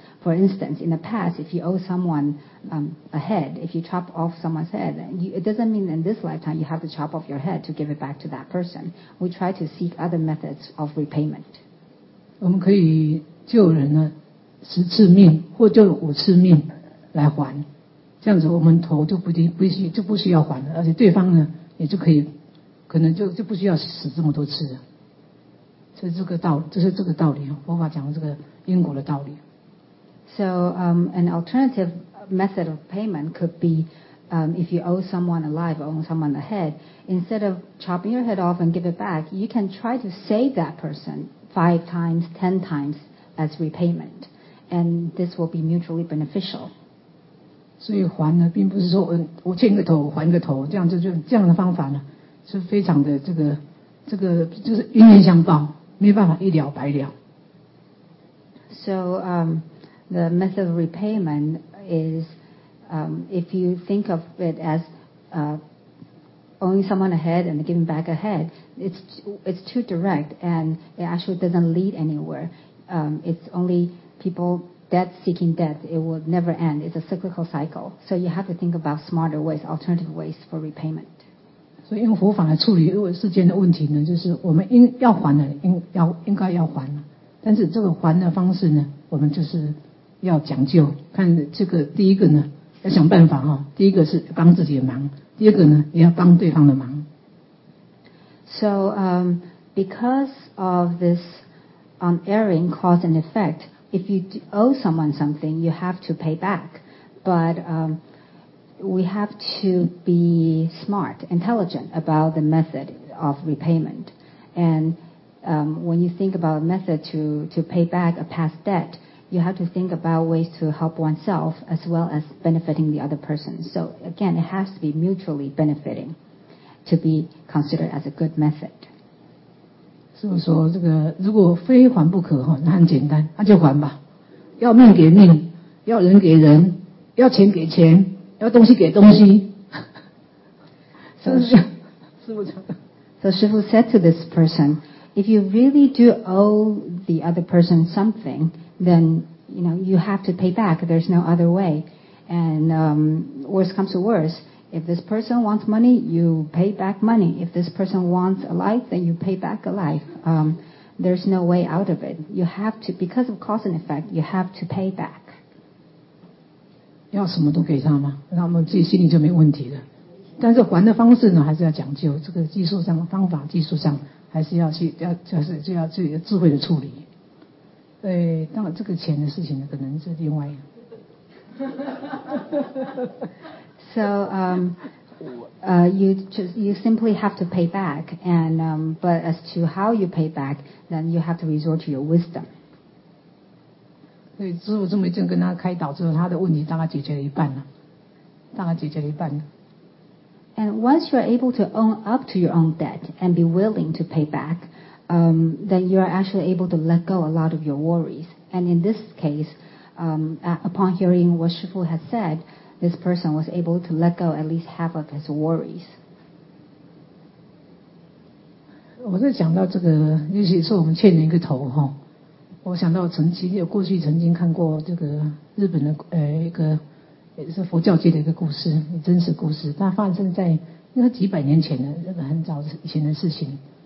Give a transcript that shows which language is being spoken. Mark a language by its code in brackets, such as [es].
[en] For instance, in the past, if you owe someone a head, if you chop off someone's head, it doesn't mean in this lifetime you have to chop off your head to give it back to that person. We try to seek other methods of repayment. [zh] 我们可以救人呢，十次命或救五次命来还，这样子我们头就不需要还了，而且对方呢也就可以，可能就不需要死这么多次了。这是这个道理，佛法讲的这个因果的道理。 [en] So an alternative method of payment could be if you owe someone a life or owe someone a head, instead of chopping your head off and give it back, you can try to save that person 5 times, 10 times as repayment. And this will be mutually beneficial. [zh] 所以还呢，并不是说我牵个头还个头，这样就这样的方法呢，是非常的这个就是冤冤相报，没办法一了百了。 [en] So the method of repayment is if you think of it as owing someone a head and giving back a head, it's too direct and it actually doesn't lead anywhere. It's only people. Debt seeking debt, it will never end. It's a cyclical cycle. So you have to think about smarter ways, alternative ways for repayment. So, [zh] 用佛法来处理世间的问题呢，就是我们要还的，应该要还了。但是这个还的方式呢，我们就是要讲究。看这个第一个呢，要想办法哈。第一个是帮自己的忙，第二个呢，也要帮对方的忙。 [en] So, because of this unerring cause and effect. If you owe someone something, you have to pay back. But we have to be smart, intelligent about the method of repayment. And when you think about a method to pay back a past debt, you have to think about ways to help oneself as well as benefiting the other person. So again, it has to be mutually benefiting to be considered as a good method. [zh] 就是说这个如果非还不可那很简单那就还吧要命给命要人给人要钱给钱要东西给东西 [en] So 师父 said to this person, if you really do owe the other person something, then you know, you have to pay back, there's no other way. And worse comes to worse,If this person wants money, you pay back money. If this person wants a life, then you pay back a life. There's no way out of it. You have to, because of cause and effect, you have to pay back. [zh] 要什么都给他吗？那我们自己心里就没问题了。但是还的方式呢，还是要讲究。这个技术上方法，技术上还是要去要就要自己的智慧的处理。对，当然这个钱的事情呢，可能是另外一样。 [en] So you simply have to pay back, and but as to how you pay back, then you have to resort to your wisdom. [zh] 对，师父这么一阵跟他开导之后，他的问题大概解决了一半了，大概解决了一半了。 [en] And once you are able to own up to your own debt and be willing to pay back, then you are actually able to let go a lot of your worries. And in this case, upon hearing what Shifu has said. This person was able to let go at least half of his worries. [zh] 我在讲到这个，尤其是我们欠人一个头哈，我想到曾经有过去曾经看过这个日本的一个也是佛教界的一个故事，真实故事，它发生在应该几百年前的，这个很早以前的事情。